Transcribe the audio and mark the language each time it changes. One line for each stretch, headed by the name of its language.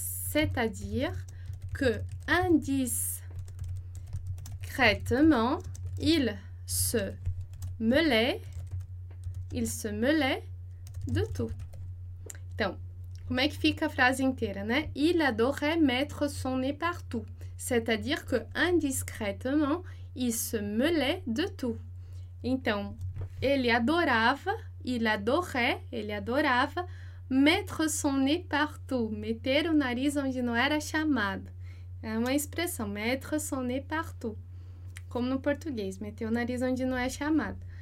French: C'est-à-dire que indiscrètement, il se mêlait de tout.
Portuguese: Então, como é que fica a frase inteira, né?
French: Il adorait mettre son nez partout. C'est-à-dire que indiscrètement, il se mêlait de tout.
Portuguese: Então, ele adorava
French: mettre son nez partout,
Portuguese: meter o nariz onde não era chamado. É uma expressão,
French: mettre son nez partout.
Portuguese: Como no português, meter o nariz onde não é chamado.